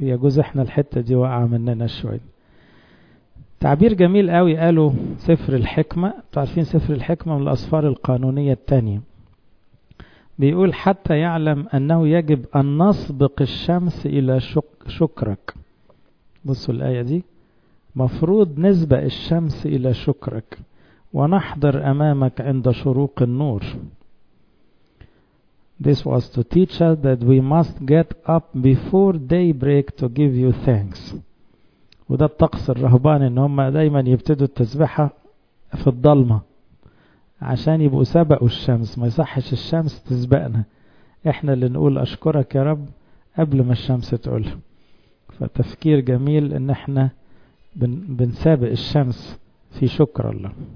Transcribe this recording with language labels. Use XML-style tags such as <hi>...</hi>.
<ar>يا جوز إحنا الحتة دي وقع مننا شوي. تعبير جميل قوي قاله سفر الحكمة، تعرفين سفر الحكمة من الأسفار القانونية التانية، بيقول حتى يعلم أنه يجب أن نسبق الشمس إلى شكرك. بصوا الآية دي، مفروض نسبق الشمس إلى شكرك ونحضر أمامك عند شروق النور.</ar> <en>This was to teach us that we must get up before daybreak to give you thanks.</en> <ar>وده الطقس الرهباني، ان هم دايما يبتدوا التسبحة في الظلمة عشان يبقوا سبقوا الشمس، ما يصحش الشمس تسبقنا، احنا اللي نقول اشكرك يا رب قبل ما الشمس تقول. فتفكير جميل ان احنا بنسابق الشمس في شكر الله.</ar>